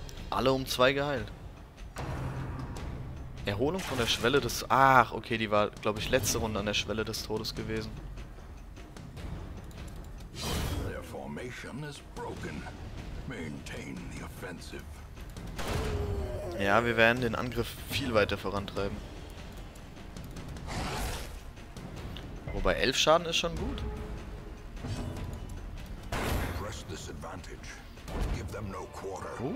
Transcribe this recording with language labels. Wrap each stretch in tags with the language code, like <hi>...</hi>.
<de>Alle um zwei geheilt. Erholung von der Schwelle des... Ach, okay, die war, glaube ich, letzte Runde an der Schwelle des Todes gewesen.</de> <en>Their formation is broken. Maintain the offensive.</en> <de>Ja, wir werden den Angriff viel weiter vorantreiben. Wobei 11 Schaden ist schon gut.</de> <en>Press this advantage. Give them no quarter.</en>